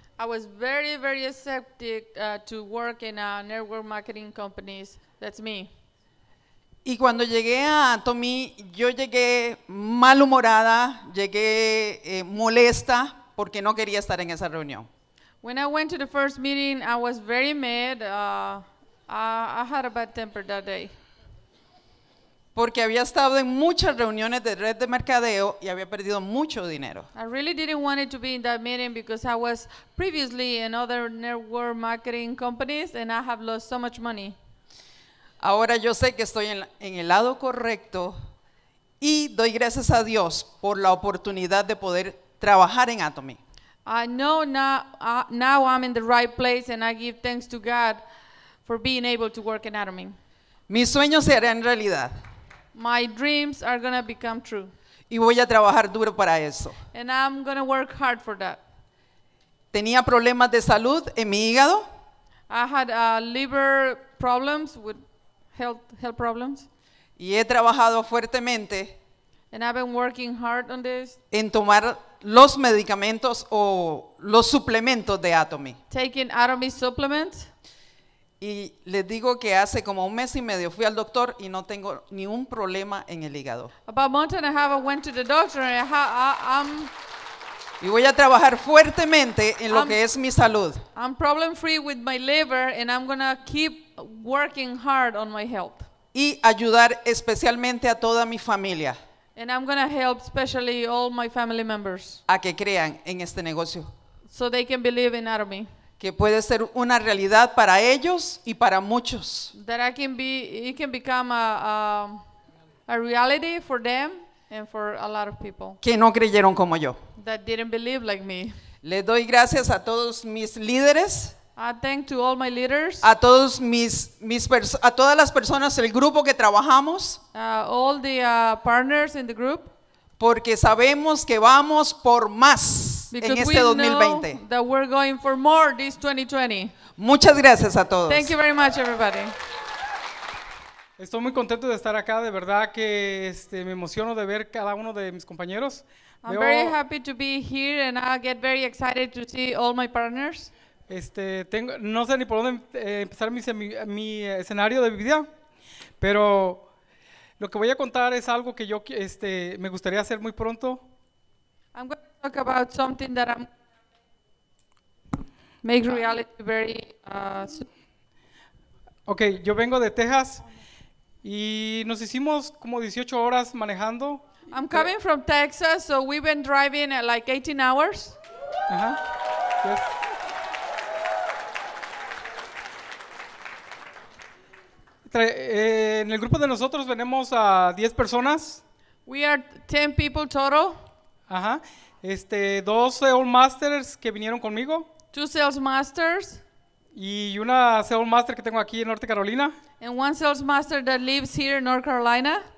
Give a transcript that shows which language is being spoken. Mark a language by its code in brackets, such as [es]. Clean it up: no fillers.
[en] I was very, very skeptic to work in a network marketing companies. That's me. [es] Y cuando llegué a Atomy, yo llegué malhumorada, llegué molesta porque no quería estar en esa reunión. [en] When I went to the first meeting, I was very mad. I had a bad temper that day. [es] Porque había estado en muchas reuniones de red de mercadeo y había perdido mucho dinero. [en] I really didn't want it to be in that meeting because I was previously in other network marketing companies and I have lost so much money. [es] Ahora yo sé que estoy en el lado correcto y doy gracias a Dios por la oportunidad de poder trabajar en Atomy. [en] I know now I'm in the right place and I give thanks to God for being able to work in Atomy. [es] Mis sueños se harán realidad. [en] My dreams are going to become true. [es] Y voy a trabajar duro para eso. [en] And I'm going to work hard for that. [es] Tenía problemas de salud en mi hígado. [en] I had liver problems with health problems. [es] Y he trabajado fuertemente. [en] And I've been working hard on this. [es] En tomar los medicamentos o los suplementos de Atomy. [en] Taking Atomy supplements. [es] Y les digo que hace como un mes y medio fui al doctor y no tengo ni un problema en el hígado. [en] About a month and a half I went to the doctor and I'm... [es] Y voy a trabajar fuertemente en lo que es mi salud. [en] I'm problem free with my liver and I'm going to keep working hard on my health. [es] Y ayudar especialmente a toda mi familia. [en] And I'm going to help especially all my family members. [es] A que crean en este negocio. [en] So they can believe in Atomy. [es] Que puede ser una realidad para ellos y para muchos. [en] That I can be, it can become a reality for them and for a lot of people. [es] Que no creyeron como yo. [en] That didn't believe like me. [es] Le doy gracias a todos mis líderes. [en] I thank to all my leaders. [es] A todos a todas las personas, el grupo que trabajamos. [en] All the partners in the group. [es] Porque sabemos que vamos por más. [en] Because [es] en este 2020. [en] That we're going for more this 2020. [es] Muchas gracias a todos. [en] Thank you very much, everybody. [es] Estoy muy contento de estar acá. De verdad que me emociono de ver cada uno de mis compañeros. [en] I'm very happy to be here and I get very excited to see all my partners. [es] No sé ni por dónde empezar mi escenario de vida, pero lo que voy a contar es algo que yo me gustaría hacer muy pronto. [en] I'm going to talk about something that I'm make reality very soon. [es] Okay, yo vengo de Texas y nos hicimos como 18 horas manejando. [en] I'm coming from Texas, so we've been driving at like 18 hours. Yes. [es] En el grupo de nosotros venimos a 10 personas. [en] We are 10 people total. [es] Ajá. 2 sales masters que vinieron conmigo. [en] 2 sales masters. [es] Y una sales master que tengo aquí en North Carolina. [en] And 1 sales master that lives here in North Carolina.